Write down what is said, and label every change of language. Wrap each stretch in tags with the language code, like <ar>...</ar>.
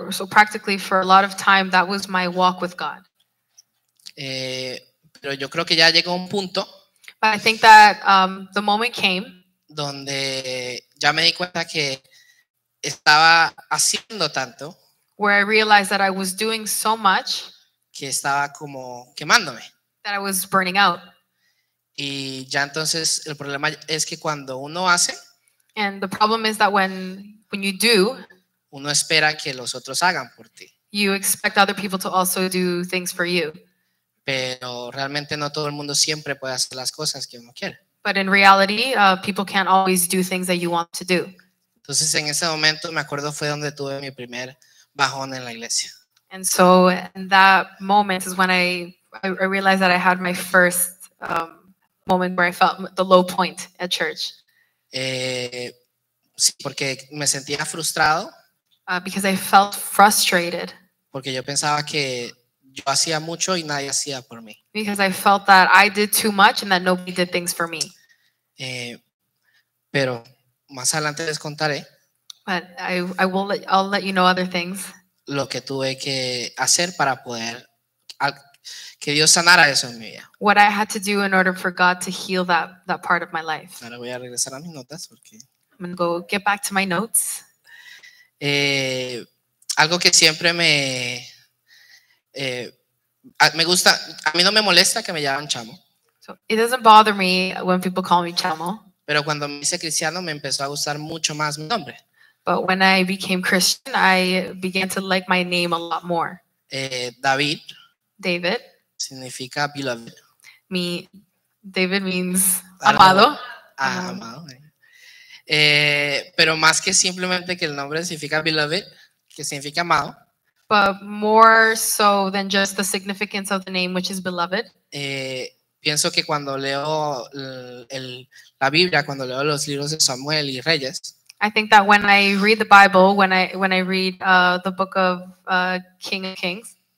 <en>Practically for a lot of time, that was my walk with God.</en> <es>Pero yo creo que ya llegó un punto.</es> <en>But I think that the moment came</en> <es>donde ya me di cuenta que estaba haciendo tanto,</es> <en>where I realized that I was doing so much</en> <es>que estaba como quemándome,</es> <en>that I was burning out.</en> <es>Y ya entonces el problema es que cuando uno hace,</es> <en>and the problem is that when you do,</en> <es>uno espera que los otros hagan por ti.</es> <en>You expect other people to also do things for you.</en> <es>Pero realmente no todo el mundo siempre puede hacer las cosas que uno quiere.</es> <en>But in reality, people can't always do things that you want to do.</en> <es>Entonces en ese momento me acuerdo fue donde tuve mi primer bajón en la iglesia.</es> <en>And so in that moment is when I realized that I had my first moment where I felt the low point at church.</en> <es>Sí, porque me sentía frustrado.</es> <en>Because I felt frustrated.</en> <es>Porque yo pensaba que yo hacía mucho y nadie hacía por mí.</es> <en>Because I felt that I did too much and that nobody did things for me.</en> <es>Pero más adelante les contaré.</es> <en>But I'll let you know other things.</en> <es>Lo que tuve que hacer para poder que Dios sanara eso en mi vida.</es> <en>What I had to do in order for God to heal that part of my life.</en> <es>Ahora voy a regresar a mis notas porque.</es> <en>I'm gonna go get back to my notes.</en> <es>Algo que siempre me me gusta, a mí no me molesta que me llamen chamo.</es> <en>So it doesn't bother me when people call me chamo.</en> <es>Pero cuando me hice cristiano me empezó a gustar mucho más mi nombre.</es> <en>But when I became Christian, I began to like my name a lot more.</en> <es>David significa</es> <en>beloved. David means Amado.</en> <es>Ah, amado. Pero más que simplemente que el nombre significa beloved, que significa amado.</es> <en>But more so than just the significance of the name, which is beloved.</en> <es>Pienso que cuando leo la Biblia, cuando leo los libros de Samuel y Reyes.</es> <en>I think that when I read the Bible, when I read the book of King of Kings.</en>